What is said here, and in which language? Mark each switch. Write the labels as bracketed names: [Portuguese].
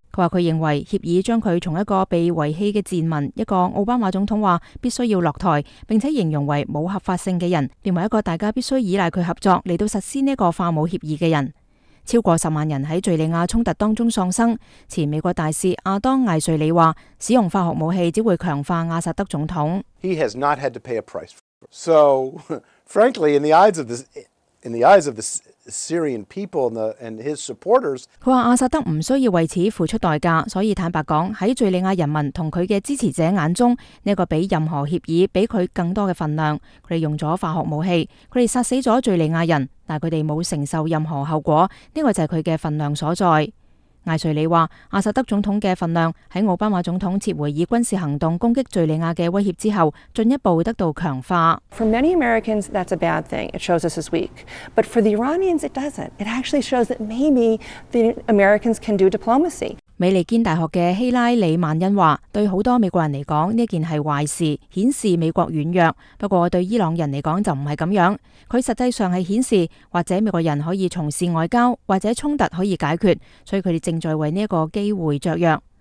[Chinese] 他说他认为协议将他从一个被遗弃的贱民，一个奥巴马总统说必须要落台，并且形容为没有合法性的人，变为一个大家必须依赖他合作来到实施这个化武协议的人。超过10万人在叙利亚冲突当中丧生。前美国大使亚当艾瑞里说，使用化学武器只会强化阿萨德总统。 [English] He has not had to pay a price. So, frankly, in the eyes of the Syrian people and his supporters, [Chinese] 他说阿萨德不需要为此付出代价，所以坦白说，在叙利亚人民和他的支持者眼中，这个比任何协议比他更多的分量。他们用了化学武器，他们杀死了叙利亚人，但他们没有承受任何后果，这个就是他的分量所在。艾瑞里说，阿萨德总统的分量在奥巴马总统撤回以军事行动攻击叙利亚的威胁之后进一步得到强化。 [English] For many Americans, that's a bad thing. It shows us as weak. But for the Iranians, it doesn't. It actually shows that maybe the Americans can do diplomacy. [Chinese] 美利坚大学的希拉里·曼恩说，对很多美国人来说，这件是坏事，显示美国软弱。不过对伊朗人来说就不是这样。他实际上是显示，或者美国人可以从事外交，或者冲突可以解决，所以他们正在为这个机会着弱。